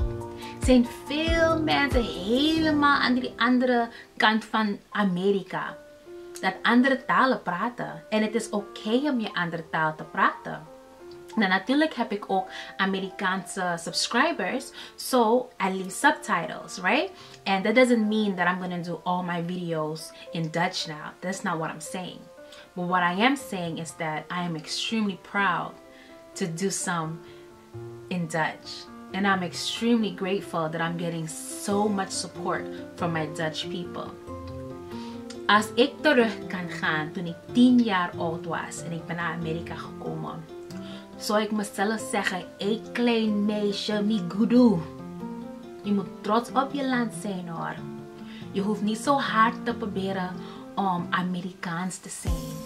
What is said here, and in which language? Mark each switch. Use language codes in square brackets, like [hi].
[nl] Er zijn veel mensen helemaal aan die andere kant van Amerika dat andere talen praten. En het is oké om je andere taal te praten. Nou, natuurlijk heb ik ook Amerikaanse subscribers. [en] So, I leave subtitles, right? And that doesn't mean that I'm going to do all my videos in Dutch now. That's not what I'm saying. But what I am saying is that I am extremely proud to do some in Dutch. And I'm extremely grateful that I'm getting so much support from my Dutch people. [nl] Als ik terug kan gaan toen ik 10 jaar oud was en ik ben naar Amerika gekomen, zou ik mezelf zeggen, hey klein meisje, mi gudu. Je moet trots op je land zijn hoor. Je hoeft niet zo hard te proberen om Amerikaans te zijn.